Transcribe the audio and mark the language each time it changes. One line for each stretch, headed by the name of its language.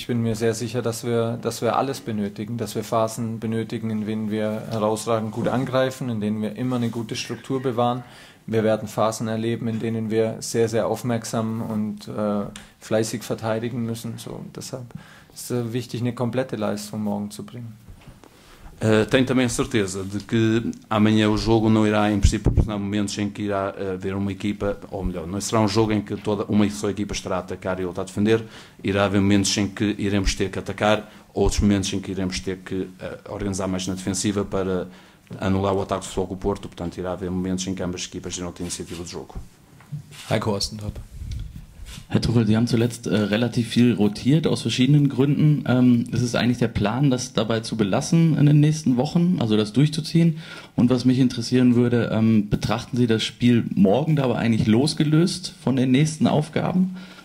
German: Ich bin mir sehr sicher, dass wir alles benötigen, dass wir Phasen benötigen, in denen wir herausragend gut angreifen, in denen wir immer eine gute Struktur bewahren. Wir werden Phasen erleben, in denen wir sehr, sehr aufmerksam und fleißig verteidigen müssen. So, deshalb ist es wichtig, eine komplette Leistung morgen zu bringen.
Portuguese: Tenho também a certeza de que amanhã o jogo não irá, em princípio, proporcionar momentos em que irá haver uma equipa, ou melhor, não será um jogo em que toda uma só equipa estará a atacar e outra a defender, irá haver momentos em que iremos ter que atacar, outros momentos em que iremos ter que organizar mais na defensiva para anular o ataque do Futebol Clube do Porto, portanto irá haver momentos em que ambas equipas irão ter iniciativa de jogo.
German: Heiko Ostendorp. Herr Tuchel, Sie haben zuletzt relativ viel rotiert aus verschiedenen Gründen. Ist es eigentlich der Plan, das dabei zu belassen in den nächsten Wochen, also das durchzuziehen? Und was mich interessieren würde, betrachten Sie das Spiel morgen dabei eigentlich losgelöst von den nächsten Aufgaben?